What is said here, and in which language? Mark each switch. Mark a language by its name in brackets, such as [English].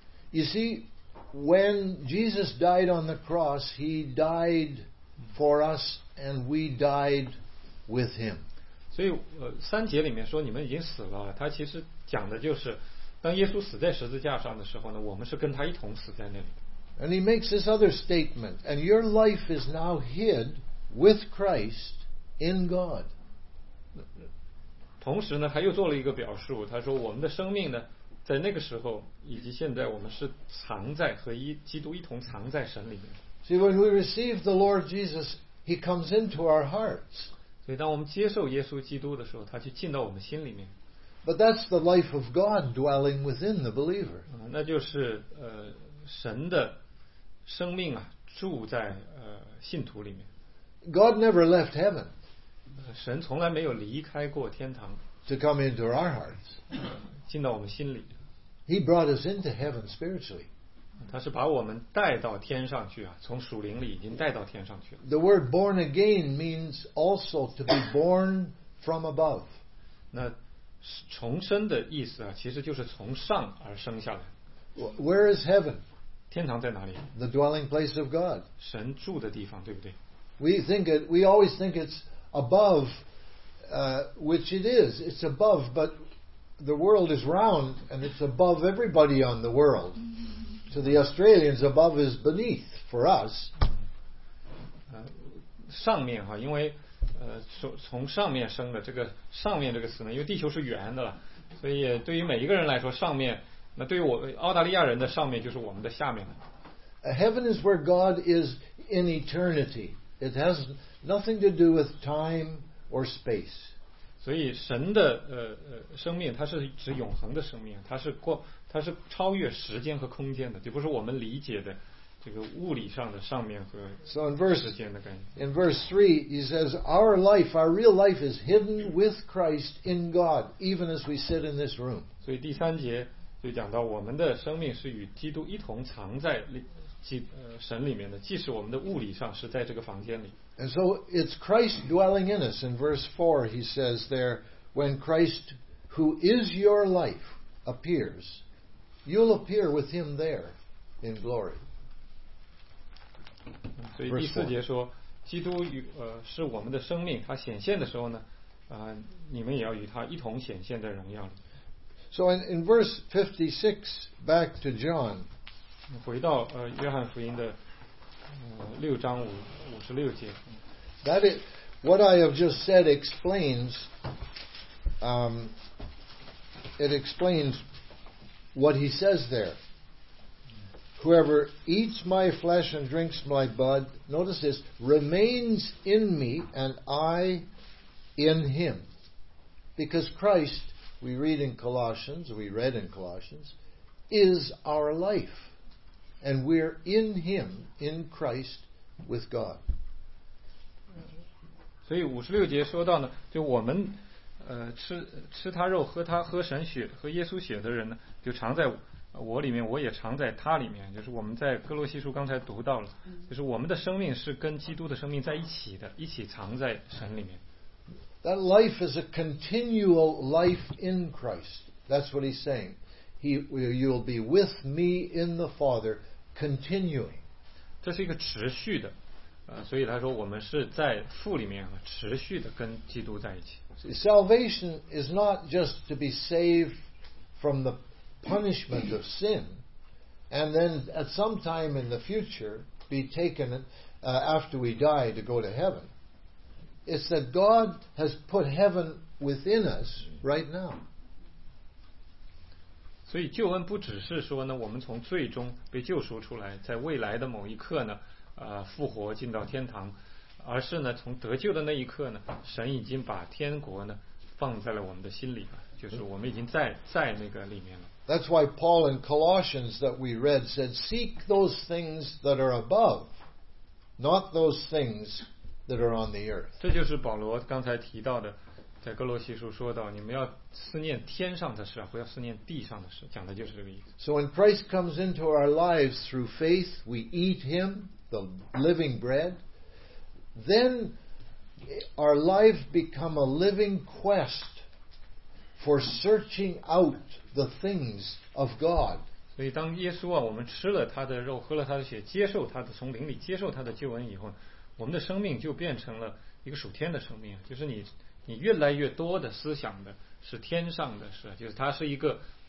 [English] You see, when Jesus died on the cross, he died for us, and we died with him. [Chinese] 所以三节里面说你们已经死了，他其实讲的就是当耶稣死在十字架上的时候呢，我们是跟他一同死在那里的。 [English] And he makes this other statement, and your life is now hid with Christ in God. [Chinese] 同时呢，他又做了一个表述，他说我们的生命呢，在那个时候以及现在，我们是藏在和一基督一同藏在神里面。 [English] See, when we receive the Lord Jesus, He comes into our hearts. [Chinese] 所以当我们接受耶稣基督的时候，他就进到我们心里面。 [English] But that's the life of God dwelling within the believer. [Chinese] 那就是神的生命啊，住在信徒里面。 [English] God never left heaven. [Chinese] 神从来没有离开过天堂。 [English] To come into our hearts. [Chinese] 进到我们心里。 [English] He brought us into heaven spiritually. [Chinese] 他是把我们带到天上去啊，从属灵里已经带到天上去了。 [English] The word born again means also to be born from above. [Chinese] 那重生的意思啊，其实就是从上而生下来。 [English] Where is heaven? [Chinese] 天堂在哪里？ [English] The dwelling place of God. [Chinese] 神住的地方，对不对？ [English] We always think it's above, which it is. It's above, but the world is round, and it's above everybody on the world. To the Australians, above is beneath for us. [Chinese] 上面哈，因为从上面生的，这个上面这个词呢，因为地球是圆的了，所以对于每一个人来说，上面。那对于我澳大利亚人的上面就是我们的下面了。 [English] Heaven is where God is in eternity. It has nothing to do with time or space. [Chinese] 所以神的生命，它是指永恒的生命，它是超越时间和空间的，就不是我们理解的这个物理上的上面和时间的感觉。 [English] In verse 3, he says, "Our life, our real life, is hidden with Christ in God, even as we sit in this room." [Chinese] 所以第三节。就讲到我们的生命是与基督一同藏在神里面的，即使我们的物理上是在这个房间里。 [English] And so it's Christ dwelling in us. In verse 4, he says there, when Christ, who is your life, appears, you'll appear with him there in glory. [Chinese] 所以第四节说，基督是我们的生命，他显现的时候呢，你们也要与他一同显现在荣耀里。 [English] So in verse 56, back to John. [Chinese] 回到约翰福音的六章五十六节。 [English] That is what I have just said explains. It explains what he says there. Whoever eats my flesh and drinks my blood, notice this, remains in me and I in him, because Christ. We read in Colossians, we read in Colossians, is our life. And we're in Him, in Christ, with God. [Chinese] 所以五十六节说到呢，就我们吃他肉，喝神血，喝耶稣血的人呢，就常在我里面，我也常在他里面。就是我们在哥罗西书刚才读到了，就是我们的生命是跟基督的生命在一起的，一起藏在神里面。 [English] That life is a continual life in Christ. That's what he's saying. You'll be with me in the Father, continuing. [Chinese] 这是一个持续的，所以他说我们是在父里面持续的跟基督在一起。 [English] See, salvation is not just to be saved from the punishment of sin, and then at some time in the future be taken after we die to go to heaven. It's that God has put heaven within us right now. [Chinese] 所以救恩不只是说呢，我们从罪中被救赎出来，在未来的某一刻呢，复活进到天堂，而是呢，从得救的那一刻呢，神已经把天国呢放在了我们的心里了，就是我们已经在那个里面了。 [English] That's why Paul in Colossians that we read said, "Seek those things that are above, not those things." That are on the earth. [Chinese] 这就是保罗刚才提到的，在哥罗西书说到，你们要思念天上的事，不要思念地上的事，讲的就是这个意思。 [English] So when Christ comes into our lives through faith, we eat Him, the living bread. Then our lives become a living quest for searching out the things of God. [Chinese] 所以当耶稣啊，我们吃了他的肉，喝了他的血，接受他的从灵里接受他的救恩以后。我们的生命就变成了一个属天的生命，就是你越来越多的思想的是天上的事，就是它是一个